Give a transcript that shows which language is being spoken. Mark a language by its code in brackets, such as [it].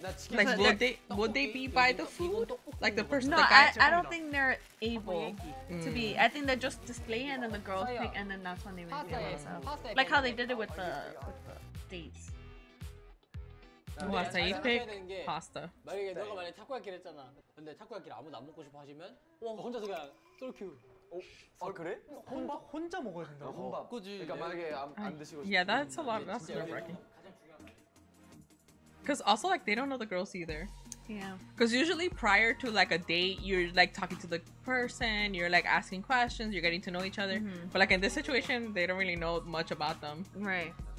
[en] Like, would they be by the food? Like, the person no, that got I don't think they're able to be. I think they're just displaying and then the girls pick and then that's when they make it themselves. Like how they did it with the dates. Oh, yeah, I pick pasta. [ko] 만약에 네. 너가 만약 타코야키를 했잖아. 근데 타코야키를 아무도 안 먹고 싶어 하시면 혼자서 그냥 솔큐. 어, 아 그래? 혼밥 혼자 먹어야 된다고. 혼밥. 그지. 그러니까 만약에 안 드시고 싶으면 [en] Yeah, that's a lot. That's nerve-wracking. Because also, like, they don't know the girls either. Yeah. Because usually prior to, like, a date, you're, like, talking to the person, you're, like, asking questions, you're getting to know each other. Mm-hmm. But, like, in this situation, they don't really know much about them. Right.